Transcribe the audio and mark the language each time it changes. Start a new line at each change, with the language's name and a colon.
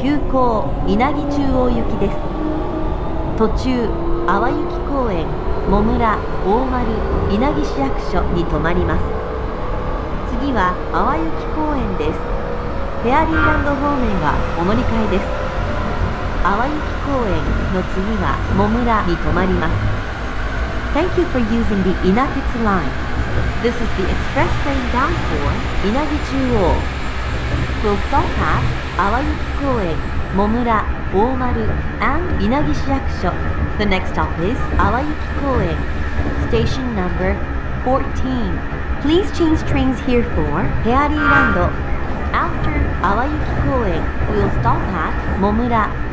Japanese: 急行稲城中央行きです。途中淡雪公園、茂村、大丸、稲城市役所に停まります。次は淡雪公園です。フェアリーランド方面はお乗り換えです。淡雪公園の次は茂村に停まります。
English: Thank you for using the 稲鉄 lineThis is the express train bound for 稲城中央。 We'll stop at 淡雪公園、茂村、大丸、and 稲城市役所。 The next stop is 淡雪公園、Station number 14. Please change trains here for フェアリーランド。 After 淡雪公園、we'll stop at 茂村。